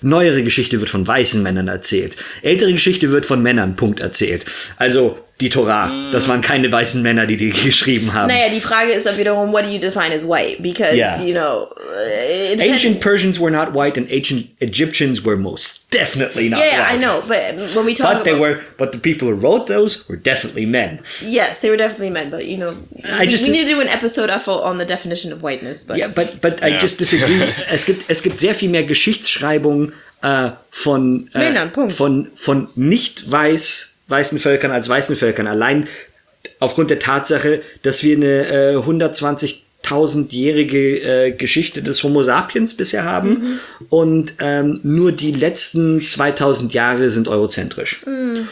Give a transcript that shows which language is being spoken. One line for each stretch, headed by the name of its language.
German: Neuere Geschichte wird von weißen Männern erzählt. Ältere Geschichte wird von Männern, Punkt, erzählt. Also die Tora, das waren keine weißen Männer, die geschrieben haben. Naja, die Frage ist dann wiederum,
English: what do you define as white? Because, you know, Ancient Persians were not white and ancient Egyptians were most definitely not white. Yeah, I know, but when we talk but about... But the people who wrote those were definitely men. Yes, they were definitely men, but, you know, we need to do an episode on the definition of whiteness, but... Yeah, but I just disagree.
German: es gibt sehr viel mehr Geschichtsschreibung von... Männern, Punkt. Von nicht weiß... weißen Völkern als weißen Völkern, allein aufgrund der Tatsache, dass wir eine 120.000-jährige Geschichte des Homo sapiens bisher haben und nur die letzten 2000 Jahre sind eurozentrisch. Mhm.